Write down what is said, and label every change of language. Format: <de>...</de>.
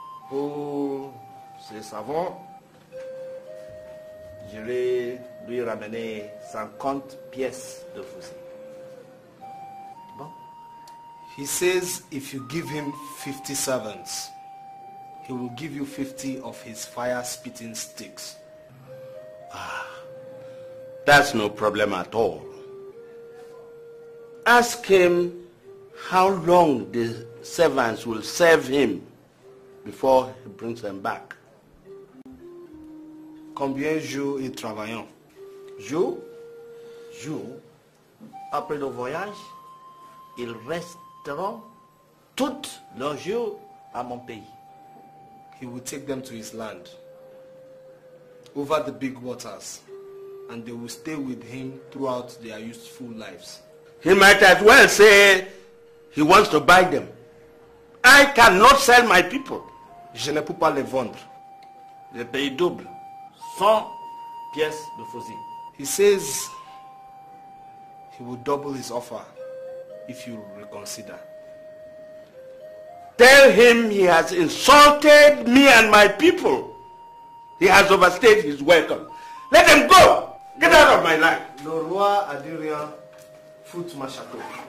<fr>Pour ces savons, je vais lui ramener 50 pièces de fusil.</fr> <en>He says if you give him 50 servants, he will give you 50 of his fire-spitting sticks. Ah, that's no problem at all. Ask him how long the servants will serve him before he brings them back.</en> <fr>Combien jours y travaillons? Jours? Après le voyage, il reste tout leur jour à mon pays.</fr> <en>He will take them to his land over the big waters and they will stay with him throughout their useful lives. He might as well say he wants to buy them. I cannot sell my people.</en> <fr>Je ne peux pas les vendre. Je paye double. 100 pièces de fusil.</fr> <en>He says he will double his offer if you reconsider. Tell him he has insulted me and my people. He has overstayed his welcome. Let him go! Get out of my life!</en> <fr>Le roi a dit rien, fout ma chateau.</fr>